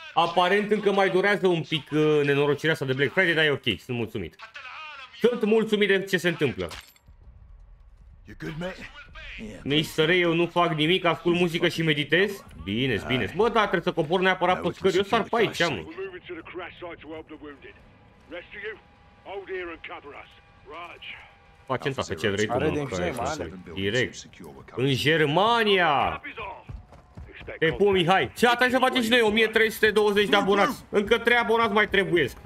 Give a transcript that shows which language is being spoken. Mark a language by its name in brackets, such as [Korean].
[Romanian] Aparent încă mai durează un pic nenorocirea asta de Black Friday, dar e ok, sunt mulțumit. Sunt mulțumit de ce se întâmplă. [English] You good, man? [Romanian] Mister, eu nu fac nimic, ascult muzică și meditez. Bine, bine. Bă, da, trebuie să cobor neapărat pe scări. Eu sar pe aici, am. [English] moving to the crash site to help the wounded. Rest of you, hold here and cover us. Raj. [Romanian] Facem asta, ce vrei tu, mă, că ești să direct. În Germania! Te pun, Mihai! Ce atât să facem și noi, 1320 de abonați? Încă 3 abonați mai trebuiesc.